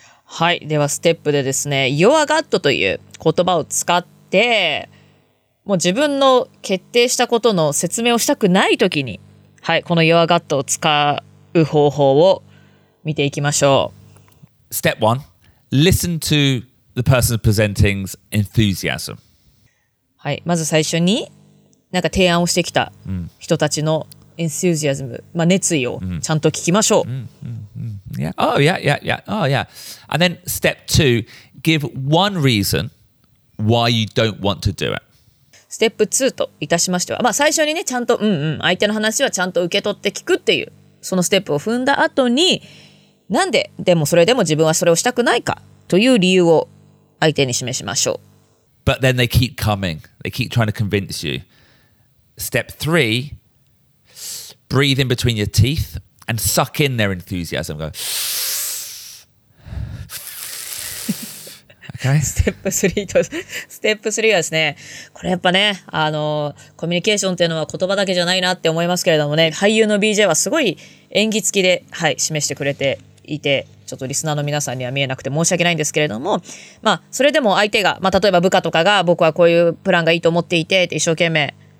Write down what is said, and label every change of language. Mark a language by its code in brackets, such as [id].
[ja] はい、ではステップでですね、your gut という言葉を使って、もう自分の決定したことの説明をしたくないときに、はい、この your gut を使う方法を見ていきましょう。 [en] Step one, listen to the person presenting's enthusiasm. [ja] はい、まず最初に何か提案をしてきた人たちのエンスージアズム、まあ、熱意をちゃんと聞きましょう。 [en] Yeah. Oh, yeah, yeah, yeah. Oh, yeah. And then step two, give one reason why you don't want to do it. [ja] ステップ2といたしましては、まあ、最初にね、ちゃんと、相手の話はちゃんと受け取って聞くっていう、そのステップを踏んだ後に、なんででもそれでも自分はそれをしたくないかという理由を相手に示しましょう。 [en] But then they keep coming. They keep trying to convince you. Step three, breathe in between your teeth and suck in their enthusiasm. Go. Okay. Step three [ja] と、step three はですね、これやっぱね、あの、コミュニケーションっていうのは言葉だけじゃないなって思いますけれどもね、俳優の BJ はすごい演技付きで、はい、示してくれていて、ちょっとリスナーの皆さんには見えなくて申し訳ないんですけれども、まあ、それでも相手が、まあ、例えば部下とかが僕はこういうプランがいいと思っていてって一生懸命